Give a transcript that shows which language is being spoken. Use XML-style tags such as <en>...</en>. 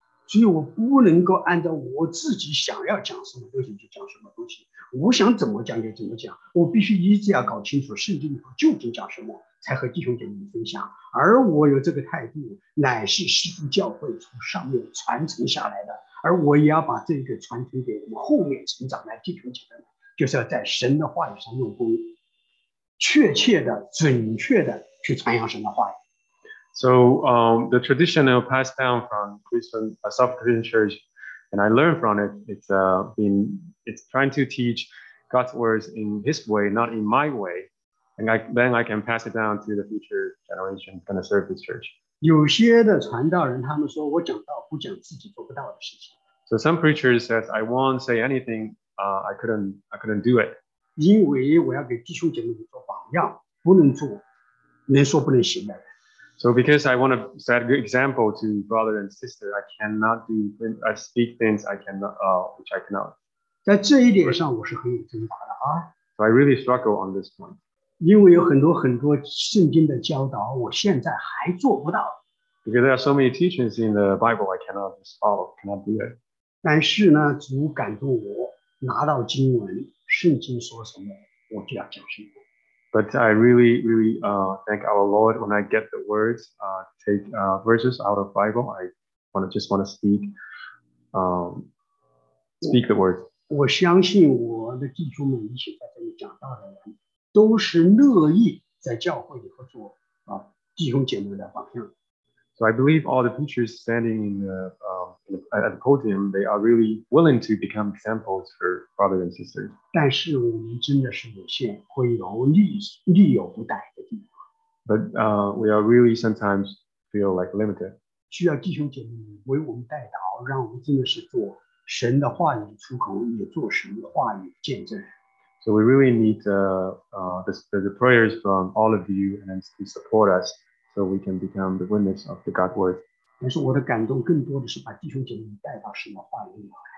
<zh>所以我不能够按照我自己想要讲什么东西就讲什么东西，我想怎么讲就怎么讲，我必须一直要搞清楚圣经里头究竟讲什么，才和弟兄姐妹分享。而我有这个态度，乃是师父教会从上面传承下来的，而我也要把这个传承给我们后面成长的弟兄姐妹们，就是要在神的话语上用功，确切的、准确的去传扬神的话语。</zh> <en>So, the tradition that passed down from Christian, a South Christian church, and I learned from it, it's trying to teach God's words in His way, not in my way, and then I can pass it down to the future generation going to serve His church.</en> <zh>有些的传道人他们说我讲道不讲自己做不到的事情。</zh> <en>So some preachers says I won't say anything, I couldn't do it.</en> <zh>因为我要给弟兄姐妹做榜样，不能做，能说不能行的。</zh> <en>So because I want to set a good example to brother and sister, I cannot do, I speak things I cannot, which I cannot.</en> <zh>在这一点上我是很有挣扎的啊。</zh> <en>So I really struggle on this point.</en> <zh>因为有很多很多圣经的教导我现在还做不到。</zh> <en>Because there are so many teachings in the Bible I cannot just follow, cannot do it.</en> <zh>但是呢，主感动我，拿到经文，圣经说什么，我就要讲什么。</zh> <en>But I really, really thank our Lord when I get the words, take verses out of the Bible. I just want to speak the words.</en> <zh>我相信我的弟兄们一起在这里讲道的人，都是乐意在教会里合作弟兄姐妹的榜样。</zh> <en>So I believe all the preachers standing at the podium, they are really willing to become examples for brothers and sisters.</en> <zh>但是我们真的是有限，会有力有不逮的地方。</zh> <en>But we are really sometimes feel like limited.</en> <zh>需要弟兄姐妹为我们代祷，让我们真的是做神的话语出口，也做神的话语见证。</zh> <en>So we really need the prayers from all of you and to support us. So we can become the witness of the God word.</en> <zh>但是我的感动更多的是把弟兄姐妹带到神的话语里来。</zh>